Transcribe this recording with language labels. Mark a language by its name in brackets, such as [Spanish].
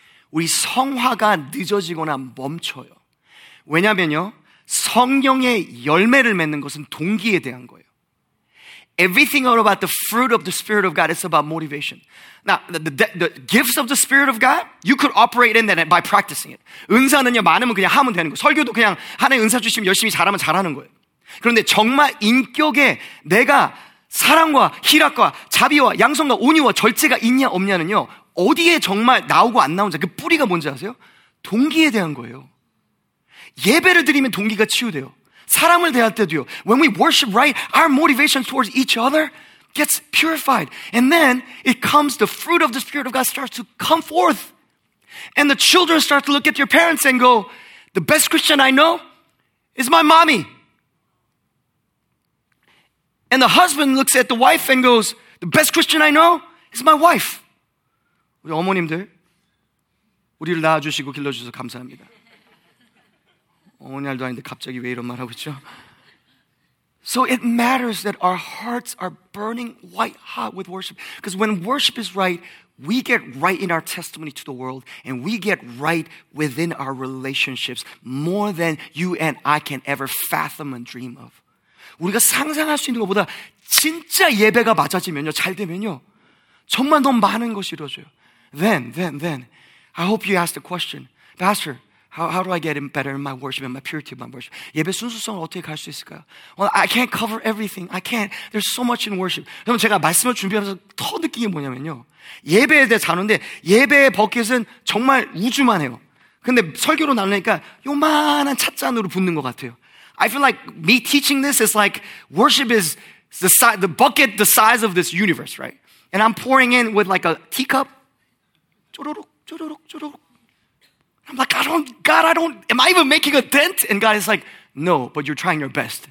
[Korean] 우리 성화가 늦어지거나 멈춰요. 왜냐면요, 성령의 열매를 맺는 것은 동기에 대한 거예요. [English] Everything all about the fruit of the Spirit of God is about motivation. Now, the gifts of the Spirit of God, you could operate in that by practicing it. [Korean] 은사는요, 많으면 그냥 하면 되는 거예요. 설교도 그냥 하나의 은사 주시면 열심히 잘하면 잘하는 거예요. 그런데 정말 인격에 내가 사랑과 희락과 자비와 양성과 온유와 절제가 있냐 없냐는요, 어디에 정말 나오고 안 나오는지, 그 뿌리가 뭔지 아세요? 동기에 대한 거예요. 예배를 드리면 동기가 치유돼요. 사람을 대할 때도요. [English] When we worship right, our motivation towards each other gets purified. And then it comes, the fruit of the Spirit of God starts to come forth. And the children start to look at your parents and go, the best Christian I know is my mommy. And the husband looks at the wife and goes, the best Christian I know is my wife. [Korean] 우리 어머님들, 우리를 낳아주시고 길러주셔서 감사합니다. 어머니 할도 아닌데 갑자기 왜 이런 말 하고 있죠? [English] So it matters that our hearts are burning white hot with worship. Because when worship is right, we get right in our testimony to the world. And we get right within our relationships more than you and I can ever fathom and dream of. [Korean] 우리가 상상할 수 있는 것보다 진짜 예배가 맞아지면요, 잘 되면요, 정말 너무 많은 것이 이루어져요. [English] Then, I hope you ask the question, Pastor, How do I get better in my worship and my purity of my worship? [Korean] 예배 순수성을 어떻게 갈 수 있을까요? [English] Well, I can't cover everything. I can't. There's so much in worship. [Korean] 그럼 제가 말씀을 준비하면서 더 느낀 게 뭐냐면요. 예배에 대해 자는데 예배의 버킷은 정말 우주만 해요. 근데 설교로 나누니까 요만한 찻잔으로 붓는 것 같아요. [English] I feel like me teaching this is like worship is the bucket the size of this universe, right? And I'm pouring in with like a teacup. [Korean] 쪼로록 쪼로록 쪼로록. [English] I'm like, am I even making a dent? And God is like, no, but you're trying your best.